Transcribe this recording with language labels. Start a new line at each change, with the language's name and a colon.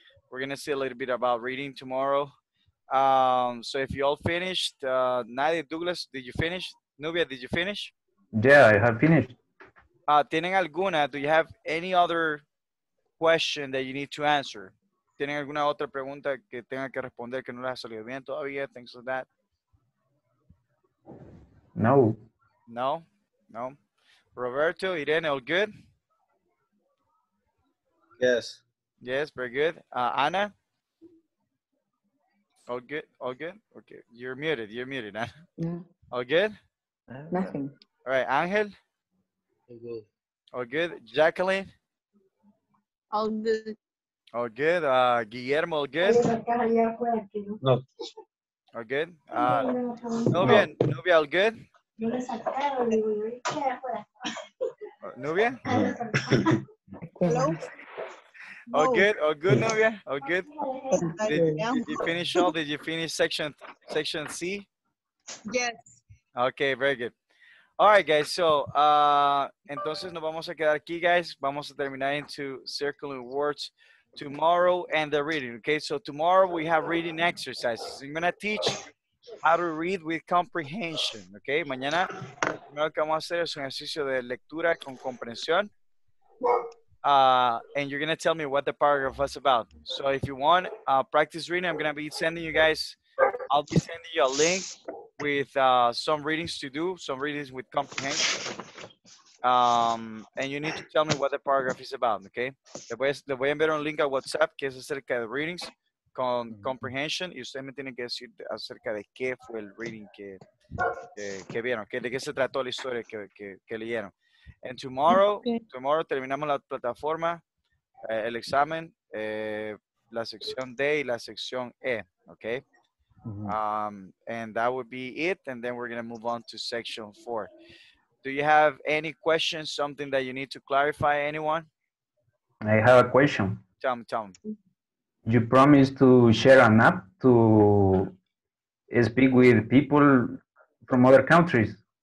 English: We're gonna see a little bit about reading tomorrow. So if you all finished, Nadia, Douglas, did you finish? Nubia, did you finish? Yeah, I have finished.
Spanish: ¿Tienen alguna?
English: Do you have any other question that you need to answer?
Spanish: ¿Tienen alguna otra pregunta que tenga que responder que no les ha salido bien todavía?
English: Things like that. No. No? No? Roberto, Irene, all good? Yes. Yes, very good. Anna? All good? All good? Okay. You're muted. You're muted, Anna. Yeah. All good? Nothing. All right, Angel? All good. All good. Jacqueline? All good. All good. Guillermo, all good? No. All good? Nubia, no. Nubia, all good? Nubia? Hello? All good? All good, Nubia? All good? Did you finish all? Did you finish section C? Yes. Okay, very good. All right, guys.
Spanish: So, entonces nos vamos a quedar aquí, guys. Vamos a terminar
English: into circling words tomorrow and the reading. Okay, so tomorrow we have reading exercises. I'm going to teach how to read with comprehension.
Spanish: Okay, mañana lo primero que vamos a hacer es un ejercicio de lectura con comprensión.
English: And you're going to tell me what the paragraph was about. So if you want practice reading, I'm going to be sending you guys, I'll be sending you a link with some readings to do, some readings with comprehension. And you need to tell me what the paragraph is about, okay?
Spanish: Le voy a enviar un link a WhatsApp que es acerca de readings con comprehension. Y usted me tiene que decir acerca de qué fue el reading que vieron, okay? De qué se trató la historia que leyeron.
English: And tomorrow, okay. Tomorrow
Spanish: terminamos la plataforma, el examen, la sección D y la sección E, okay?
English: Mm-hmm. And that would be it. And then we're going to move on to section 4. Do you have any questions, something that you need to clarify, anyone? I have a question. Tell me. You promised to share an app to speak with people from other countries.